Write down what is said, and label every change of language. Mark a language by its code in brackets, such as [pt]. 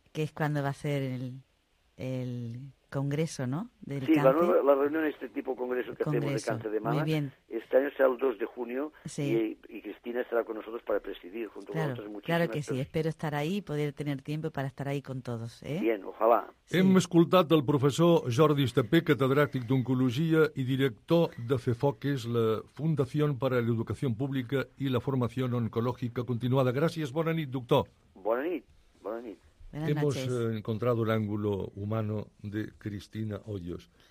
[es] que es cuando va a ser el congreso, ¿no? Del sí, la reunión de este tipo de congreso que hacemos de cáncer de mama. Muy bien. Este año será el 2 de junio, sí. y Cristina estará con nosotros para presidir junto claro, con otras muchísimas. Claro que sí, espero estar ahí y poder tener tiempo para estar ahí con todos. Bien, ojalá. Sí. [ca] Hem escoltat el professor Jordi Estapé, catedràtic d'Oncologia i director de CEFOCES, la Fundació per a l'Educació Pública i la Formació Oncològica Continuada. Gràcies, bona nit, doctor. Bona nit, bona nit. [es] Hemos encontrado el ángulo humano de Cristina Hoyos.